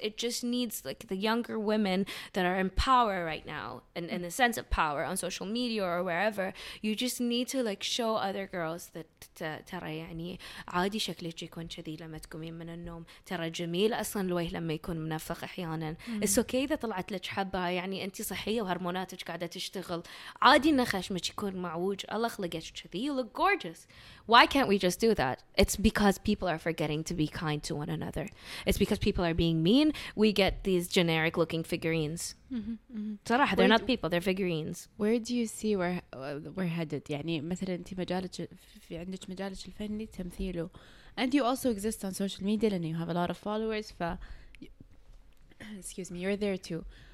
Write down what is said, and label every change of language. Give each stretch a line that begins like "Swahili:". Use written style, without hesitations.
English: It just needs like the younger women that are in power right now and in the sense of power on social media or wherever, you just need to like show other girls that
Arabic: ترى يعني عادي شكلك يكون كذي لما تقومين من النوم, ترى جميل اصلا الوجه لما يكون منفخ احيانا.
English: It's okay
Arabic: اذا طلعت لك حبه, يعني انت صحيه وهرموناتك قاعده تشتغل, عادي ان خشمك يكون معوج, الله خلقك كذي,
English: you look gorgeous. Why can't we just do that? It's because people are forgetting to be kind to one another. It's because people are being mean. We get these generic looking figurines. صراحة they're not people, they're figurines. Where do you see we're headed?
Arabic: يعني مثلا انت مجالك في عندك مجالك الفني تمثيله,
English: and you also exist on social media and you have a lot of followers, excuse me, you're there too.